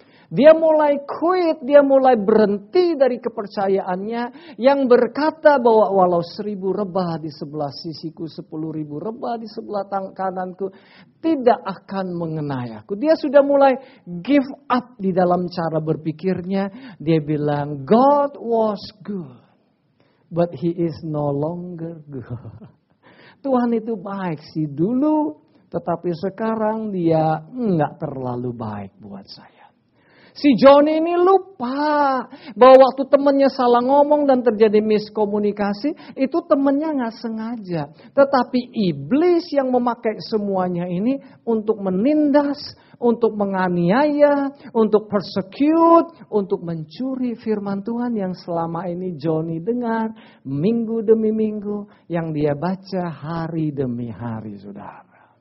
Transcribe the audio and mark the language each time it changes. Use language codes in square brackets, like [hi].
[id] Dia mulai [en] quit, [id] dia mulai berhenti dari kepercayaannya yang berkata bahwa walau 1000 rebah di sebelah sisiku, 10.000 rebah di sebelah kananku, tidak akan mengenai aku. Dia sudah mulai [en] give up [id] di dalam cara berpikirnya. Dia bilang, [en] God was good, but he is no longer good. [id] Tuhan itu baik sih dulu, tetapi sekarang dia enggak terlalu baik buat saya. Si John ini lupa bahwa waktu temannya salah ngomong dan terjadi miskomunikasi, itu temannya gak sengaja. Tetapi iblis yang memakai semuanya ini untuk menindas, untuk menganiaya, untuk [en] persecute, [id] untuk mencuri firman Tuhan yang selama ini Johnny dengar minggu demi minggu, yang dia baca hari demi hari, saudara.